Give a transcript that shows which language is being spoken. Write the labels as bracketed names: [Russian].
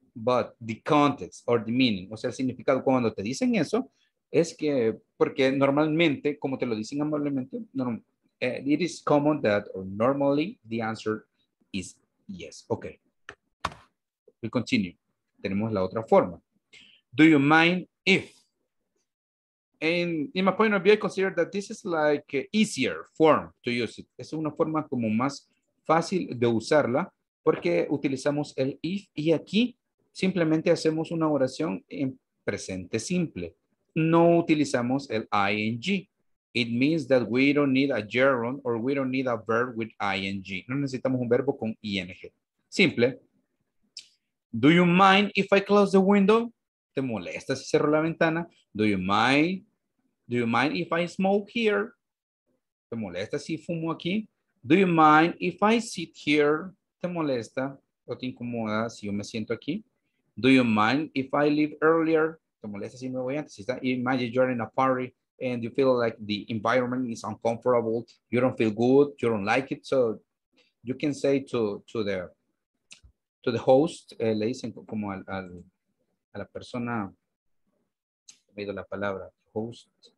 [English] but the context or the meaning. [Spanish] O sea, el significado cuando te dicen eso es que, porque normalmente, como te lo dicen amablemente, no, [English] it is common that or normally the answer is yes. Okay. We continue. [Spanish] Tenemos la otra forma. [English] Do you mind if? And in my point of view, I consider that this is like easier form to use it. [Spanish] Es una forma como más fácil de usarla porque utilizamos el if y aquí simplemente hacemos una oración en presente simple. No utilizamos el ing. [English] It means that we don't need a gerund or we don't need a verb with ing. [Spanish] No necesitamos un verbo con ing. [English] Simple. Do you mind if I close the window? [Spanish] ¿Te molesta si cierro la ventana? [English] Do you mind? Do you mind if I smoke here? [Spanish] ¿Te molesta si fumo aquí? [English] Do you mind if I sit here? [Spanish] ¿Te molesta o te incomoda si yo me siento aquí? [English] Do you mind if I leave earlier? [Spanish] ¿Te molesta si me voy antes? [English] Imagine you're in a party and you feel like the environment is uncomfortable. You don't feel good. You don't like it. So you can say to the host, [Spanish] le dicen como a la persona, me dio la palabra, [English] host,